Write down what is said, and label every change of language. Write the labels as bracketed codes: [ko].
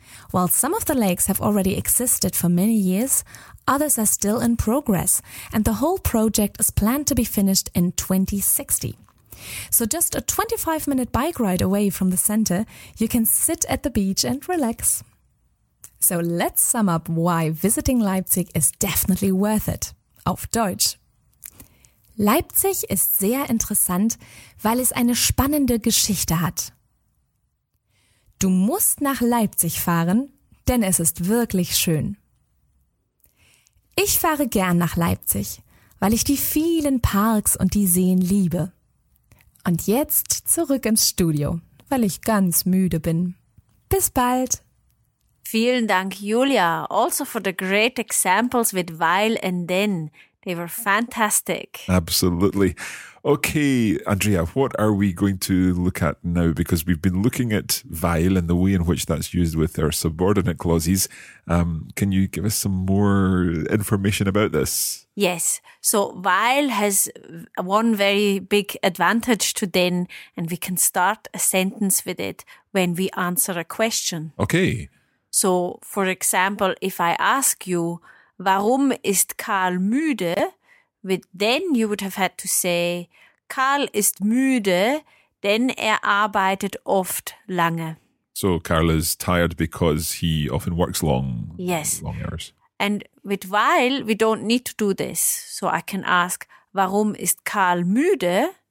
[en] While some of the lakes have already existed for many years, others are still in progress, and the whole project is planned to be finished in 2060. So just a 25-minute bike ride away from the center, you can sit at the beach and relax. So let's sum up why visiting Leipzig is definitely worth it. [de] Auf Deutsch. Leipzig ist sehr interessant, weil es eine spannende Geschichte hat. Du musst nach Leipzig fahren, denn es ist wirklich schön. Ich fahre gern nach Leipzig, weil ich die vielen Parks und die Seen liebe. Und jetzt zurück ins Studio, weil ich ganz müde bin. Bis bald! Vielen Dank, [en] Julia, also for the great examples with weil and then. They were fantastic. Absolutely. Okay, Andrea, what are we going to look at now? Because we've been looking at weil and the way in which that's used with our subordinate clauses. Can you give us some more information about this? Yes. So weil has one very big advantage to then, and we can start a sentence with it when we answer a question. Okay. So, for example, if I ask you, [de] warum ist Karl müde? [en] With then you would have had to say, [de] Karl ist müde, denn er arbeitet oft lange. [en] So, Karl is tired because he often works long. Yes. Long hours. And with weil, we don't need to do this. So I can ask, [de] warum ist Karl müde?